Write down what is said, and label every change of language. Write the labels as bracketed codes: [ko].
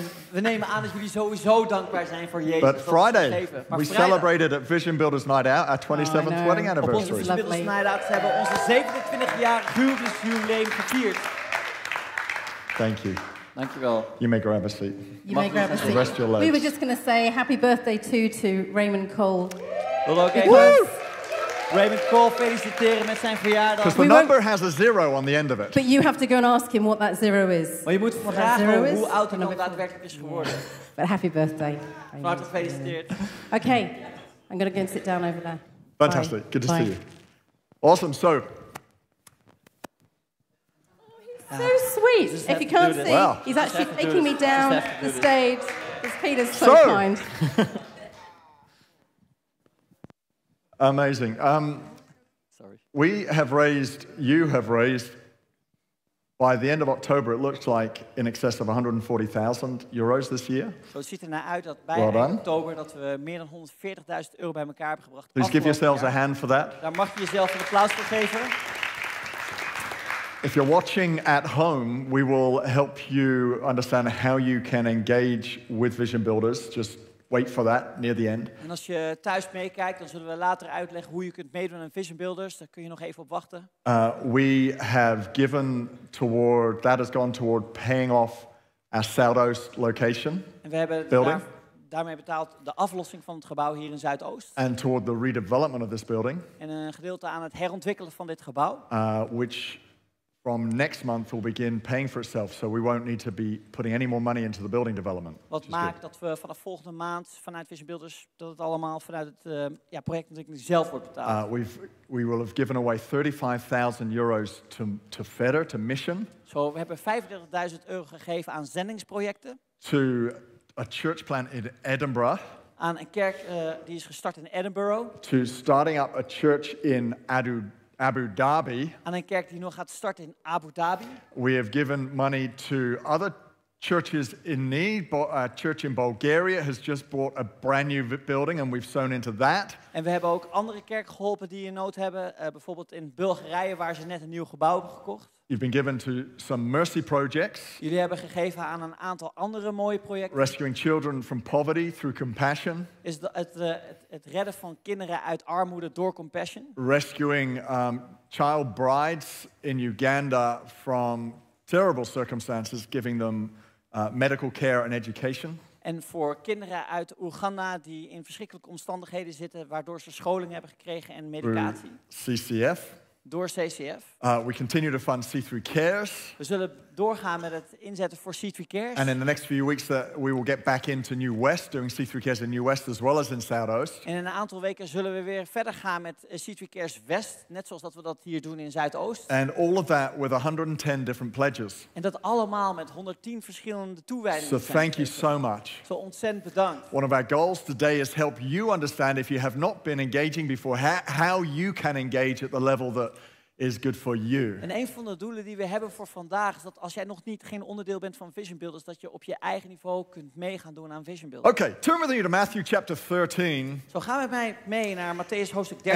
[nl] We nemen aan dat jullie sowieso dankbaar zijn voor Jezus. [en] But Friday, we celebrated at Vision Builders Night Out our 27th wedding anniversary. [nl] Op onze Vision Builders Night Out hebben onze 27-jarig huwelijksjubileum gevierd. [en] Thank you. Thank you all. You may grab a seat. You may grab a seat. Rest your legs. We were just going to say happy birthday to Raymond Cole. Well, okay. Woo! [nl] Raymond Cole feliciteren met zijn verjaardag. [en] Because the number has a zero on the end of it. But you have to go and ask him what that zero is. [nl] Maar je moet vragen hoe oud hij dan daadwerkelijk is geworden. [en] But happy birthday. [nl] Vaart gefeliciteerd. [en] Okay, I'm going to go and sit down over there. Fantastic, bye. Good to bye. See you. Awesome, so. Oh, he's so sweet. If you can't see, well, he's actually taking me down the stage. Because Peter's so kind. Amazing. You have raised, by the end of October, it looks like in excess of 140,000 euros this year. [nl] So it ziet er naar uit dat bij oktober dat we meer dan 140.000 euro bij elkaar hebben gebracht. [en] Please give yourselves a hand for that. [nl] Daar mag je jezelf een applaus voor geven. [en] If you're watching at home, we will help you understand how you can engage with Vision Builders. Just Wait for that near the end. [nl] En als je thuis meekijkt, dan zullen we later uitleggen hoe je kunt meedoen aan Vision Builders. Daar kun je nog even op wachten. [en] We have given toward that has gone toward paying off our Zuidoost location. [nl] En we hebben building. Daarmee betaald de aflossing van het gebouw hier in Zuidoost. [en] And toward the redevelopment of this building. [nl] En een gedeelte aan het herontwikkelen van dit gebouw. [en] Which from next month will begin paying for itself, so we won't need to be putting any more money into the building development. [nl] Wat maakt dat we vanaf volgende maand vanuit Vision Builders dat het allemaal vanuit het projectontwikkeling zelf wordt betaald? [en] We will have given away 35,000 euros to FEDER, to Mission. [nl] Zo, we hebben 35.000 euro gegeven aan zendingsprojecten. [en] To a church plant in Edinburgh. [nl] Aan een kerk die is gestart in Edinburgh. [en] To starting up a church in Abu Dhabi. [nl] Aan een kerk die nog gaat starten in Abu Dhabi. [en] We have given money to other churches in need. A church in Bulgaria has just bought a brand new building and we've sown into that. [nl] En we hebben ook andere kerken geholpen die in nood hebben. Bijvoorbeeld in Bulgarije waar ze net een nieuw gebouw hebben gekocht. [en] You've been given to some mercy projects. [nl] Jullie hebben gegeven aan een aantal andere mooie projecten. [en] Rescuing children from poverty through compassion. [nl] Is het redden van kinderen uit armoede door compassion. [en] Rescuing child brides in Uganda from terrible circumstances, giving them medical care and education. [nl] En voor kinderen uit Oeganda die in verschrikkelijke omstandigheden zitten, waardoor ze scholing hebben gekregen en medicatie. [en] CCF. [nl] Door CCF. [en] We continue to fund C3 Cares. [nl] We zullen doorgaan met het inzetten voor C3 Cares. [en] And in the next few weeks we will get back into New West, doing C3 Cares in New West as well as in Zuidoost. [nl] En in een aantal weken zullen we weer verder gaan met C3 Cares West, net zoals dat we dat hier doen in Zuidoost. [en] And all of that with 110 different pledges. [nl] En dat allemaal met 110 verschillende toewijdingen. [en] So thank you so much. [nl] Zo ontzettend bedankt. [en] One of our goals today is help you understand if you have not been engaging before, how you can engage at the level that is good for you. [nl] En een van de doelen die we hebben voor vandaag is dat als jij nog niet geen onderdeel bent van Vision Builders, dat je op je eigen niveau kunt meegaan doen aan Vision Builders. [en] Okay, turn with me to Matthew chapter 13. [nl] Zo, ga met mij mee naar Matteüs hoofdstuk 13.